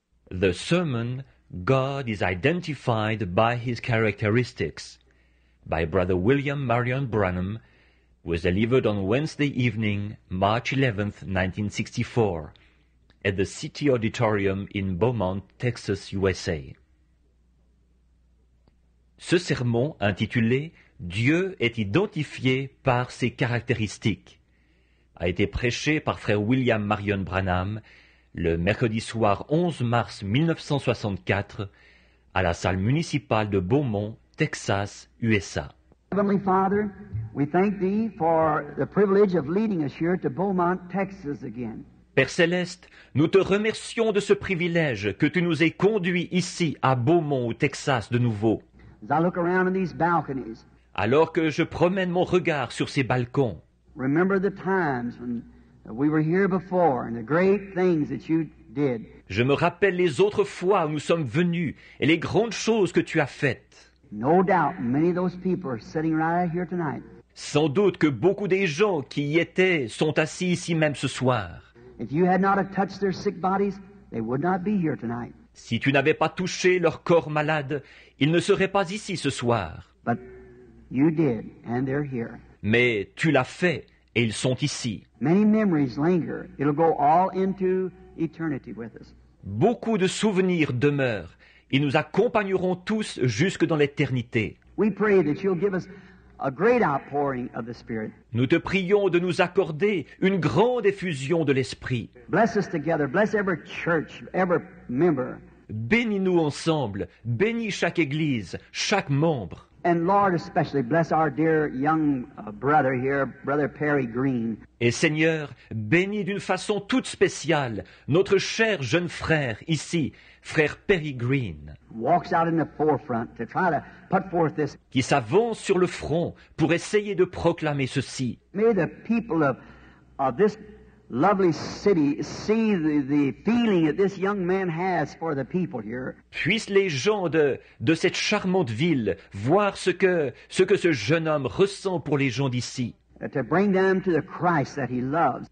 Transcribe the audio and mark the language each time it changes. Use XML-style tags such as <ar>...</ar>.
<en>The sermon, God is Identified by His Characteristics, by Brother William Marion Branham, was delivered on Wednesday evening, March 11, 1964, at the City Auditorium in Beaumont, Texas, USA.</en> <fr>Ce sermon, intitulé « Dieu est identifié par ses caractéristiques », a été prêché par Frère William Marion Branham le mercredi soir 11 mars 1964 à la salle municipale de Beaumont, Texas, USA.</fr> <en>Heavenly Father, we thank Thee for the privilege of leading us here to Beaumont, Texas again.</en> <fr>Père Céleste, nous te remercions de ce privilège que tu nous aies conduits ici à Beaumont, au Texas, de nouveau.</fr> <en>As I look around in these balconies,</en> <fr>alors que je promène mon regard sur ces balcons,</fr> <en>remember the times when we were here before and the great things that you did.</en> <fr>Je me rappelle les autres fois où nous sommes venus et les grandes choses que tu as faites.</fr> <en>No doubt many of those people are sitting right here tonight.</en> <fr>Sans doute que beaucoup des gens qui y étaient sont assis ici même ce soir.</fr> <en>If you had not touched their sick bodies, they would not be here tonight.</en> <fr>Si tu n'avais pas touché leur corps malade, ils ne seraient pas ici ce soir.</fr> <en>But you did, and they're here.</en> <fr>Mais tu l'as fait. Et ils sont ici.</fr> <en>Many memories linger. It'll go all into eternity with us.</en> <fr>Beaucoup de souvenirs demeurent. Ils nous accompagneront tous jusque dans l'éternité.</fr> <en>We pray that you'll give us a great outpouring of the Spirit.</en> <fr>Nous te prions de nous accorder une grande effusion de l'Esprit.</fr> <en>Bless us together. Bless every church, every member.</en> <fr>Bénis-nous ensemble. Bénis chaque église, chaque membre.</fr> <en>And Lord, especially bless our dear young brother here, Brother Perry Green.</en> <fr>Et Seigneur, bénis d'une façon toute spéciale notre cher jeune frère ici, frère Perry Green.</fr> <en>Walks out in the forefront to try to put forth this.</en> <fr>Qui s'avance sur le front pour essayer de proclamer ceci.</fr> <en>May the people of this lovely city see the feeling that this young man has for the people here.</en> <fr>Puissent les gens de cette charmante ville voir ce que ce jeune homme ressent pour les gens d'ici.</fr> <en>To bring them to the Christ that he loves.</en>